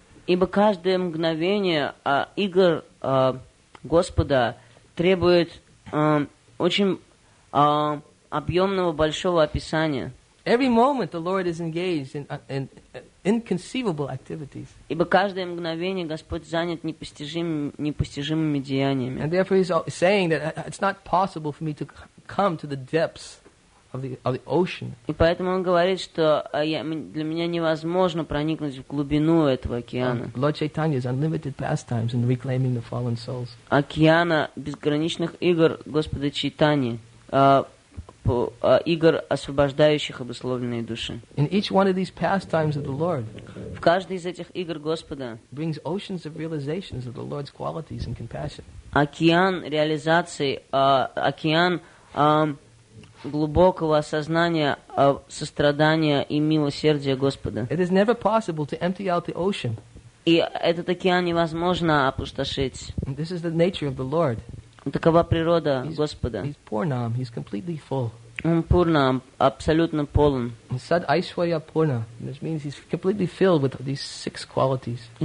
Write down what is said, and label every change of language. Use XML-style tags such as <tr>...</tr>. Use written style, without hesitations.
<ru>Ибо каждое мгновение игр Господа требует очень объемного большого описания.</ru> <en>Every moment the Lord is engaged in inconceivable activities.</en> <ru>Ибо каждое мгновение Господь занят непостижимыми деяниями.</ru> <en>And therefore he's saying that it's not possible for me to come to the depths of the ocean.</en> <ru>И поэтому он говорит, что для меня невозможно проникнуть в глубину этого океана.</ru> <en>Lord Chaitanya's unlimited pastimes in reclaiming the fallen souls.</en> <ru>Океана безграничных игр Господа Чайтани, игр освобождающих обусловленные души.</ru> <en>In each one of these pastimes of the Lord.</en> <ru>В каждой из этих игр Господа.</ru> <en>Brings oceans of realizations of the Lord's qualities and compassion.</en> <ru>Океан реализации, океан глубокого осознания сострадания и милосердия Господа.</ru> <en>It is never possible to empty out the ocean.</en> <ru>И этот океан невозможно опустошить.</ru> <en>This is the nature of the Lord.</en> <ru>Такова природа Господа.</ru> <en>He's pournam, he's completely full.</en> <ru>Он пурна, абсолютно полон.</ru> <en>He said, Aishwarya Purna. This means he's completely filled with these six qualities.</en>